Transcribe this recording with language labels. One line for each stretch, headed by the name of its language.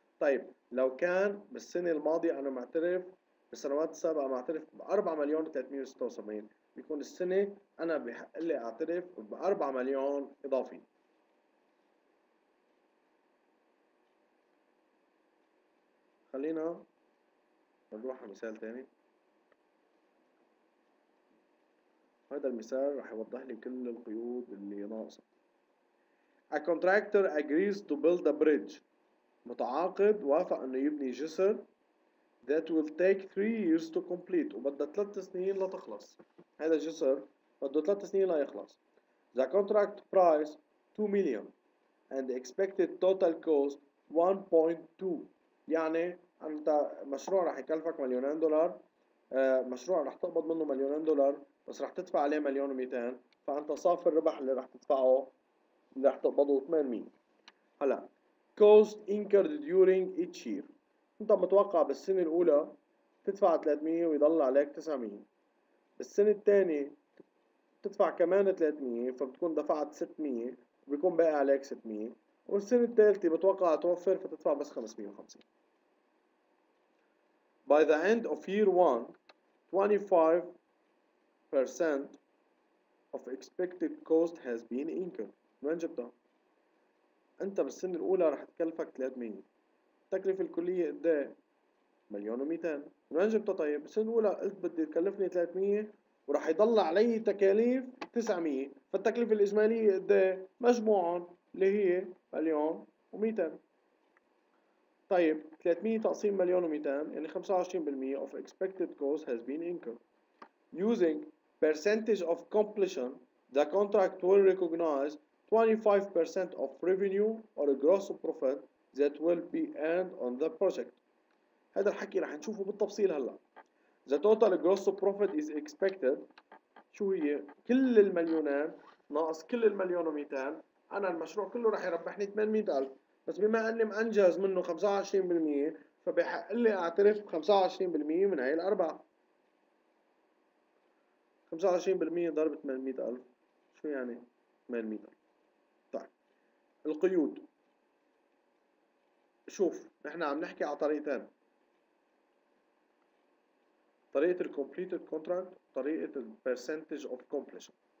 Arabic: طيب لو كان بالسنه الماضيه انا معترف، بالسنوات السابقه معترف ب 4,376,000، بيكون السنه انا بحق لي اعترف ب 4 مليون اضافي. خلينا نروح على مثال ثاني. هذا المثال رح يوضح لي كل القيود اللي ناقصة.
English: A contractor agrees to build a bridge.
Arabic: متعاقد وافق انه يبني جسر
English: that will take 3 years to complete،
Arabic: وبدها 3 سنين لتخلص. هذا الجسر بده 3 سنين ليخلص.
English: The contract price 2 million and expected total cost 1.2.
Arabic: يعني انت مشروع رح يكلفك مليونين دولار، مشروع رح تقبض منه مليونين دولار، بس رح تدفع عليه 1,200,000، فانت صافي الربح اللي رح تدفعه اللي رح تقبضه 800,000. هلا cost incurred during each year، انت متوقع بالسنه الاولى تدفع 300 ويضل عليك 900، بالسنه الثانيه تدفع كمان 300 فبتكون دفعت 600 وبيكون باقي عليك 600، والسنه الثالثه بتوقع توفر فتدفع بس 550.
English: By the end of year 1 25 percent of expected cost has been incurred.
Arabic: من جبتها؟ انت بالسنة الاولى رح تكلفك 300، التكلفة الكلية قد ايه؟ 1,200,000. من جبتها؟ طيب بالسنة الاولى قلت بدي تكلفني 300 ورح يضل علي تكاليف 900، فالتكلفة الاجمالية قد ايه؟ مجموعهم اللي هي 1,200,000. طيب 300 تقسيم 1,200,000 يعني
English: 25% of expected cost has been incurred. Using percentage of completion, the contract will recognize 25% of revenue or gross profit that will be earned on the project.
Arabic: هذا الحكي رح نشوفه بالتفصيل هلا.
English: The total gross profit is expected.
Arabic: شو هي؟ كل المليونين ناقص كل المليون و200,000، انا المشروع كله رح يربحني 800,000، بس بما اني مانجز منه 25% فبحق لي اعترف 25% من هاي الارباح. 25% ضرب 800,000 شو يعني 800,000؟ طيب القيود، شوف احنا عم نحكي على طريقتين، طريقة الـ completed contract وطريقة الـ percentage of completion.